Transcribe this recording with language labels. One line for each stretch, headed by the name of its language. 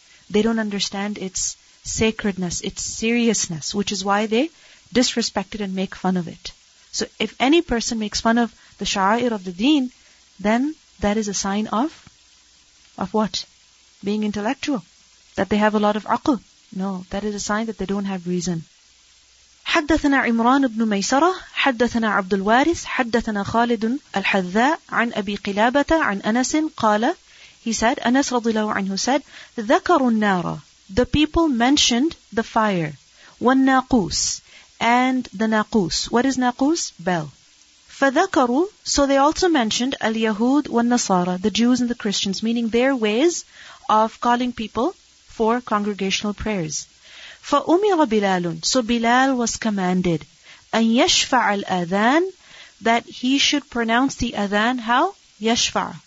English: They don't understand its sacredness, its seriousness, which is why they disrespect it and make fun of it. So if any person makes fun of the sha'air of the deen, then that is a sign of what? Being intellectual. That they have a lot of aql. No, that is a sign that they don't have reason.
Arabic: حدثنا عمران بن ميسرة حدثنا عبد الوارث حدثنا خالد الحذاء عن أبي قلابة عن أنس قال,
English: he said,
Arabic: Anas رضي الله عنه
English: said,
Arabic: ذكروا النار,
English: the people mentioned the fire,
Arabic: والناقوس,
English: and the naqus. What is naqus? Bell.
Arabic: فَذَكَرُوا,
English: so they also mentioned al-Yahud wal-Nasara, the Jews and the Christians, meaning their ways of calling people for congregational prayers.
Arabic: فَأُمِرَ بِلَالٌ,
English: so Bilal was commanded,
Arabic: أَن يَشْفَعَ الْأَذَانِ,
English: that he should pronounce the adhan, how?
Arabic: يَشْفَعَ.